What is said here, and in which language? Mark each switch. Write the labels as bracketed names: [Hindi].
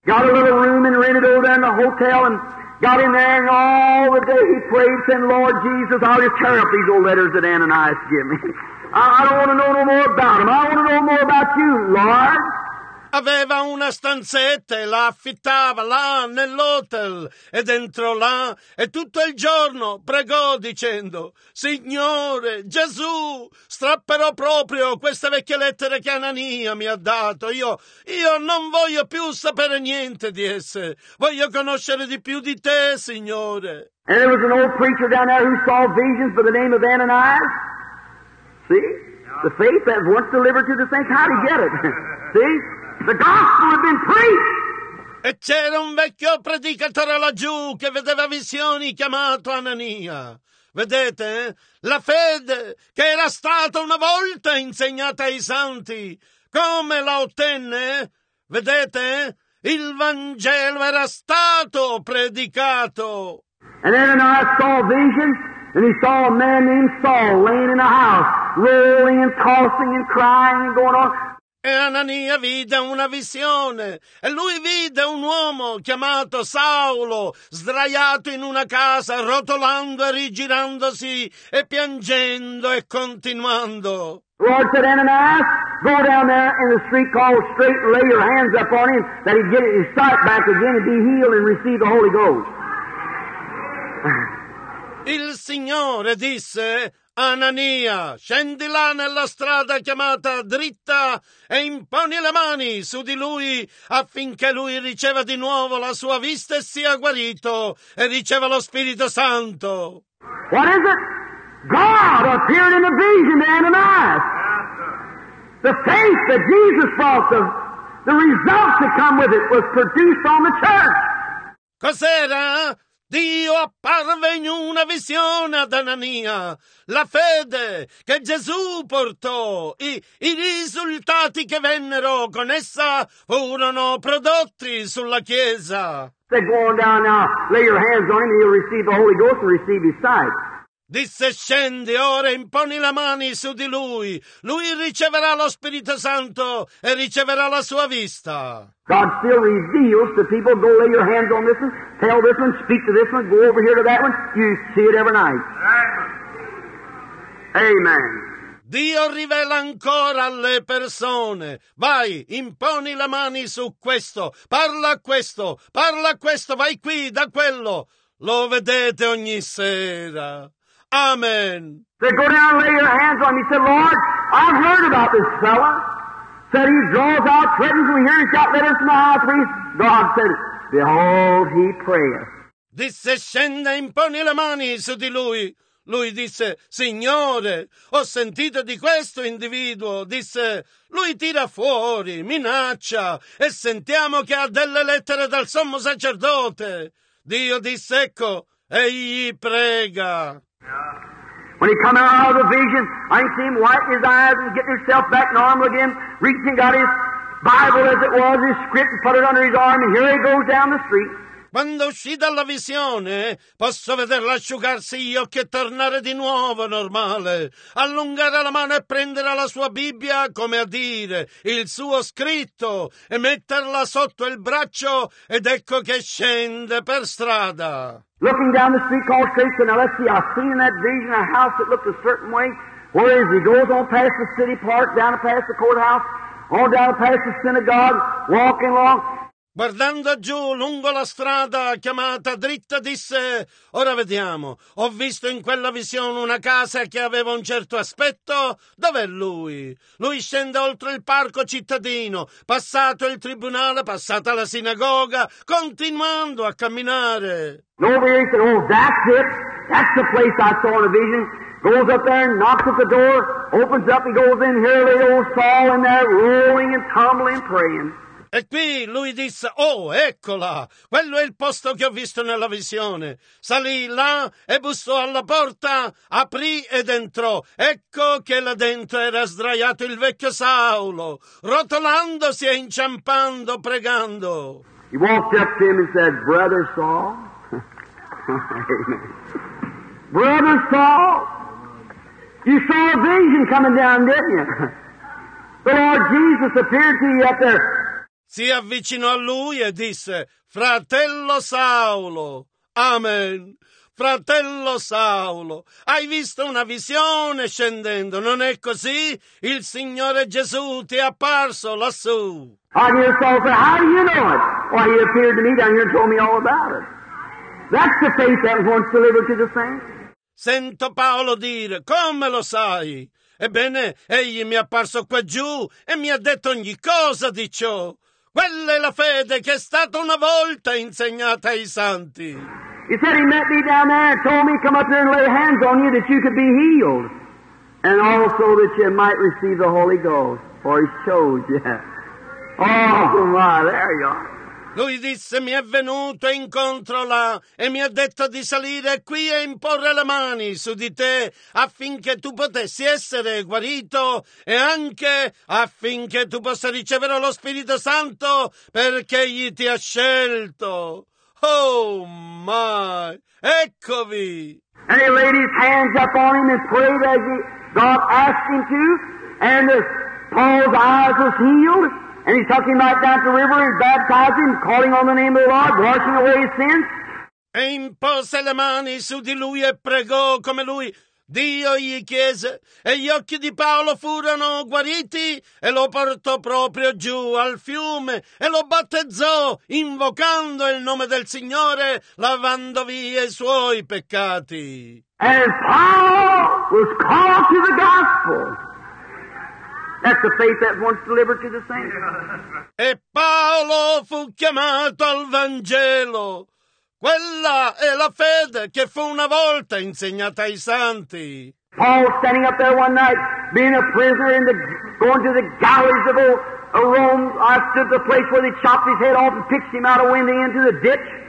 [English] Got a little room and rented over there in the hotel and got in there and all the day he prayed, saying, Lord Jesus, I'll just tear up these old letters that Ananias gave me. I don't want to know no more about them. I want to know more about you, Lord. [Italian] Aveva una stanzetta e la affittava là nell'hotel ed entrò là e tutto il giorno pregò dicendo Signore Gesù, strapperò proprio queste vecchie lettere che Anania mi ha dato. Io non voglio più sapere niente di esse. Voglio conoscere di più di te, Signore. [English] And there was an old preacher down there who saw visions by the name of Ananias. See? The faith that once delivered to the saints, how did he get it? See? The gospel had been preached. [Italian] E c'era un vecchio predicatore laggiù che vedeva visioni chiamato Anania. Vedete? La fede che era stata una volta insegnata ai santi. Come la ottenne? Vedete? Il Vangelo era stato predicato. [English] And then Ananias saw a vision and he saw a man named Saul laying in a house, rolling and tossing and crying and going on. [Italian] E Anania vide una visione, e lui vide un uomo chiamato Saulo, sdraiato in una casa, rotolando e rigirandosi, e piangendo e continuando. [English] Lord said, Ananias, go down there in the street called Straight and lay your hands up on him, that he get his sight back again and be healed and receive the Holy Ghost. [Italian] Il Signore disse, Anania, scendi là nella strada chiamata Dritta e imponi le mani su di lui affinché lui riceva di nuovo la sua vista e sia guarito e riceva lo Spirito Santo. [English] What is it? God appeared in a vision to Ananias. The faith that Jesus brought, the result to come with it was produced on the church. [Italian] Cos'era? Dio apparve in una visione ad Anania. La fede che Gesù portò, i risultati che vennero con essa furono prodotti sulla Chiesa. [English] Said, go on down now, lay your hands on him, he'll receive the Holy Ghost and receive his sight. [Italian] Disse, scendi ora, imponi le mani su di lui. Lui riceverà lo Spirito Santo e riceverà la sua vista. [English] God still reveals to people, go lay your hands on this one, tell this one, speak to this one, go over here to that one. You see it every night. Amen. [Italian] Dio rivela ancora alle persone, vai, imponi le mani su questo, parla a questo, vai qui, da quello. Lo vedete ogni sera. Amen. [English] Said, go down and lay your hands on me. He said, Lord, I've heard about this fella. Said, he draws out, threatens, we hear he's got letters from the high priest. God said, behold, he prayeth. [Italian] Disse, scende, imponi le mani su di lui. Lui disse, Signore, ho sentito di questo individuo. Disse, lui tira fuori, minaccia, e sentiamo che ha delle lettere dal sommo sacerdote. Dio disse, ecco, egli prega. [English] When he come out of the vision, I see him wiping his eyes and getting himself back normal again, reaching out his Bible as it was, his script, and put it under his arm, and here he goes down the street. [Italian] Quando uscì dalla visione, posso vederla asciugarsi gli occhi e tornare di nuovo normale, allungare la mano e prendere la sua Bibbia, come a dire, il suo scritto, e metterla sotto il braccio, ed ecco che scende per strada. [English] Looking down the street called Station, now let's see, I've seen in that vision a house that looked a certain way. Where is he? Goes on past the city park, down past the courthouse, on down past the synagogue, walking along. [Italian] Guardando giù lungo la strada chiamata dritta, disse: ora vediamo, ho visto in quella visione una casa che aveva un certo aspetto. Dov'è lui? Lui scende oltre il parco cittadino, passato il tribunale, passata la sinagoga, continuando a camminare. [English] No, said, oh, that's it. That's the place I saw in a vision. Goes up there and knocks at the door, opens up and goes in. Here they all fall in there, rolling and tumbling and praying. [Italian] E qui lui disse: oh, eccola, quello è il posto che ho visto nella visione. Salì là e bussò alla porta, aprì ed entrò. Ecco che là dentro era sdraiato il vecchio Saulo, rotolandosi e inciampando, pregando. [English] He walked up to him and said, Brother Saul, Brother Saul, you saw a vision coming down, didn't you? The Lord Jesus appeared to you up there. [Italian] Si avvicinò a lui e disse: Fratello Saulo, amen, fratello Saulo, hai visto una visione scendendo, non è così? Il Signore Gesù ti è apparso lassù. [English] I'm here, Saul, so how do you know it? Why, he appeared to me down here and told me all about it. That's the faith that once delivered to the saints. [Italian] Sento Paolo dire: come lo sai? Ebbene, egli mi è apparso qua giù e mi ha detto ogni cosa di ciò. Quella è la fede che è stata una volta insegnata ai santi. [English] He said he met me down there and told me to come up there and lay hands on you that you could be healed. And also that you might receive the Holy Ghost, for he showed you. Oh my, there you are. [Italian] Lui disse: mi è venuto incontro là e mi ha detto di salire qui e imporre le mani su di te affinché tu potessi essere guarito e anche affinché tu possa ricevere lo Spirito Santo, perché egli ti ha scelto. [English] Oh my, [Italian] eccovi! [English] And he laid his hands up on him and prayed as God asked him to, and Paul's eyes was healed. And he took him right down to the river and baptized him, calling on the name of the Lord, washing away his sins. [Italian] E impose le mani su di lui e pregò come lui Dio gli chiese, e gli occhi di Paolo furono guariti, e lo portò proprio giù al fiume, e lo battezzò, invocando il nome del Signore, lavando via i suoi peccati. [English] And Paul was called to the gospel. That's the faith that once delivered to the saints. [Italian] E Paolo fu chiamato al Vangelo. Quella è la fede che fu una volta insegnata ai santi. [English] Paul standing up there one night, being a prisoner in the going to the galleys of Rome, I stood the place where they chopped his head off and pitched him out a window into the ditch.